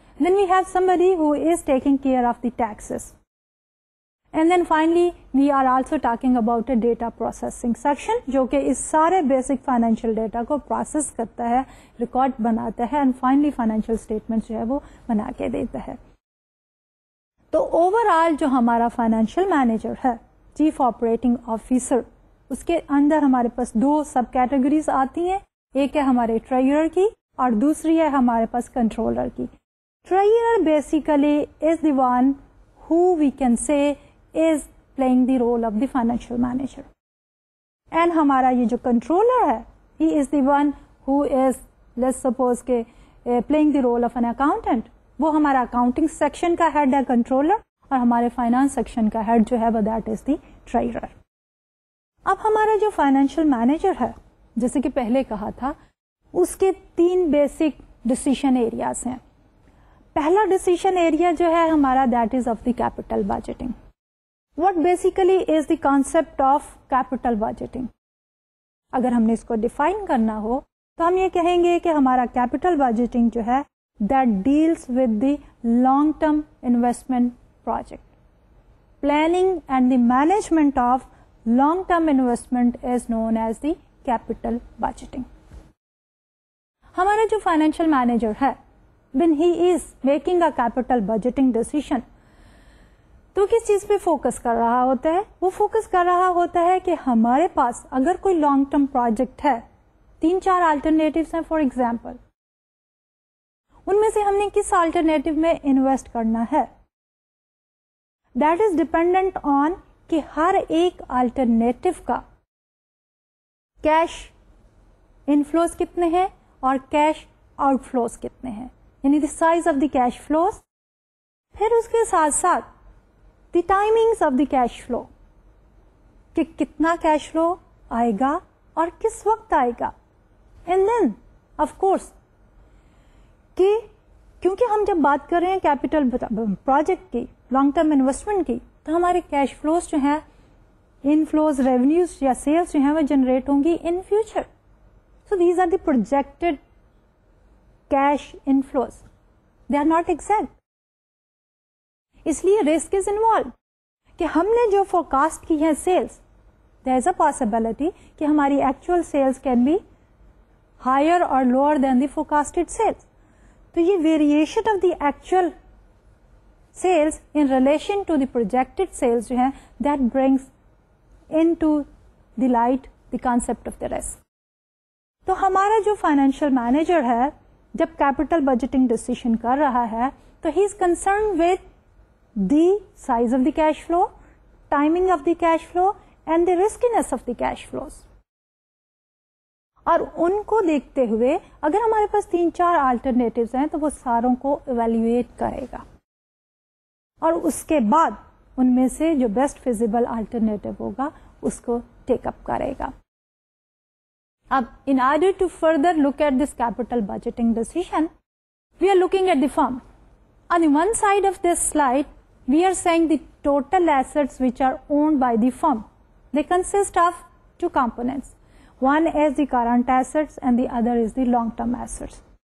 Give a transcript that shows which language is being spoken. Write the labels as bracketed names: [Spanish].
[English] then we have somebody who is taking care of the taxes, and then finally we are also talking about a data processing section, [Urdu] جو کہ اس سارے basic financial data کو process کرتا ہے, record بناتا ہے, and finally financial statement جو ہے وہ بنا کے دیتا ہے. تو اوور آل جو ہمارا فائنینشیل مینیجر ہے, چیف آپریٹنگ آفیسر, اس کے اندر ہمارے پاس دو سب کیٹیگریز آتی ہیں. ایک ہے ہمارے ٹریجرر کی, اور دوسری ہے ہمارے پاس کنٹرولر کی. [English] Trainer basically is the one who we can say is playing the role of the financial manager. [Urdu] And ہمارا یہ جو کنٹرولر ہے [English] He is the one who is let's suppose کے playing the role of an accountant. [Urdu] وہ ہمارا accounting section کا head ہے controller, اور ہمارے فائنانس سیکشن کا ہیڈ جو ہے وہ [English] That is the treasurer. [Urdu] اب ہمارا جو فائنینشیل مینیجر ہے, جیسے کہ پہلے کہا تھا, اس کے تین بیسک ڈسیشن ایریاز ہیں. پہلا ڈسیشن ایریا جو ہے ہمارا that is of the capital budgeting. [English] What basically is the concept of capital budgeting. [Urdu] اگر ہم نے اس کو ڈیفائن کرنا ہو تو ہم یہ کہیں گے کہ ہمارا کیپیٹل بجٹنگ جو ہے [English] That deals with the long term investment project. Planning and the management of long term investment is known as the capital budgeting. [Urdu] ہمارا جو فائنینشیل مینیجر ہے, [English] when he is making a capital budgeting decision, [Urdu] تو کس چیز پہ focus کر رہا ہوتا ہے؟ وہ فوکس کر رہا ہوتا ہے کہ ہمارے پاس اگر کوئی لانگ ٹرم پروجیکٹ ہے, تین چار آلٹرنیٹیوز ہیں فار ایگزامپل, ان میں سے ہم نے کس آلٹرنیٹیو میں انویسٹ کرنا ہے. [English] that is dependent on [Urdu] کہ ہر ایک آلٹرنیٹیو کا کیش انفلوز کتنے ہیں اور کیش آؤٹ فلوز کتنے ہیں, یعنی [English] The size of the cash flows. [Urdu] پھر اس کے ساتھ ساتھ دی timings of the cash flow, کہ کتنا کیش فلو آئے گا اور کس وقت آئے گا. اینڈ دین آف کورس کہ کیونکہ ہم جب بات کر رہے ہیں کیپیٹل پروجیکٹ کی, لانگ ٹرم انویسٹمنٹ کی, تو ہمارے کیش فلوز جو ہیں, ان فلوز ریونیوز یا سیلز جو ہیں, وہ جنریٹ ہوں گی [English] In future. So these are the projected cash inflows. They are not exact. [Urdu] اس لیے [English] risk is involved. [Urdu] کہ ہم نے جو [English] forecast [Urdu] کی ہے [English] sales, there is a possibility [Urdu] کہ ہماری [English] actual sales can be higher or lower than the forecasted sales. [Urdu] تو یہ [English] variation of the actual sales in relation to the projected sales [Urdu] جو ہیں, [English] that brings into the light the concept of the risk. [Urdu] تو ہمارا جو financial manager ہے جب capital budgeting decision کر رہا ہے, [English] تو he is concerned with the size of the cash flow, timing of the cash flow and the riskiness of the cash flows. [Urdu] اور ان کو دیکھتے ہوئے اگر ہمارے پاس تین چار آلٹرنیٹیوز ہیں, تو وہ ساروں کو ایویلیویٹ کرے گا اور اس کے بعد ان میں سے جو بیسٹ فیزیبل آلٹرنیٹیو ہوگا اس کو ٹیک اپ کرے گا. [English] Now, in order to further look at this capital budgeting decision, we are looking at the firm. On the one side of this slide, we are saying the total assets which are owned by the firm. They consist of two components. One is the current assets and the other is the long-term assets.